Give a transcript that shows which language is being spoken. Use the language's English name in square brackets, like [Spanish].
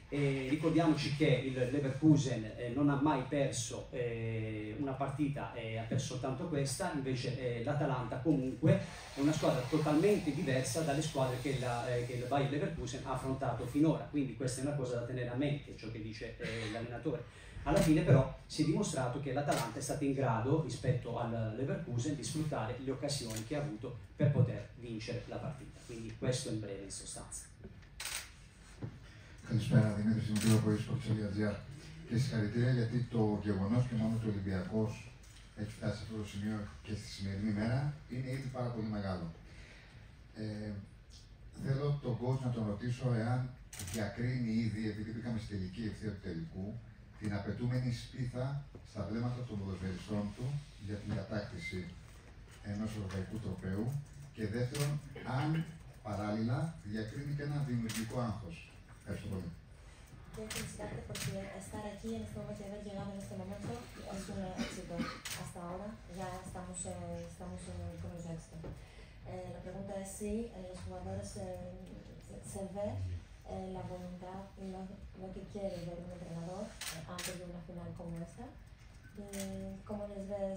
[Italian] E ricordiamoci che il Leverkusen non ha mai perso una partita e ha perso soltanto questa, invece l'Atalanta comunque è una squadra totalmente diversa dalle squadre che che il Bayer Leverkusen ha affrontato finora, quindi questa è una cosa da tenere a mente, ciò che dice l'allenatore. Alla fine però si è dimostrato che l'Atalanta è stata in grado, rispetto al Leverkusen, di sfruttare le occasioni che ha avuto per poter vincere la partita. Quindi questo in breve, in sostanza. [Greek] Καλησπέρα, Δημήτρη Συμβίου από eSports.gr. Και συγχαρητήρια, γιατί το γεγονός και μόνο ότι ο Ολυμπιακός έχει φτάσει σε αυτό το σημείο και στη σημερινή μέρα είναι ήδη πάρα πολύ μεγάλο. Θέλω τον coach να τον ρωτήσω εάν διακρίνει ήδη, επειδή πήγαμε στη τελική ευθεία του τελικού, την απαιτούμενη σπίθα στα βλέμματα των ποδοσφαιριστών του για την κατάκτηση ενός ευρωπαϊκού τροπαίου και δεύτερον, αν παράλληλα διακρίνει και ένα δημιουργικό άγχος. [Spanish] Quiero felicitarte porque estar aquí en este momento y haber llegado en este momento es un éxito. Hasta ahora ya estamos con los éxitos. La pregunta es si en los jugadores se ve la voluntad y lo que quiere ver un entrenador antes de una final como esta. ¿Cómo les ve?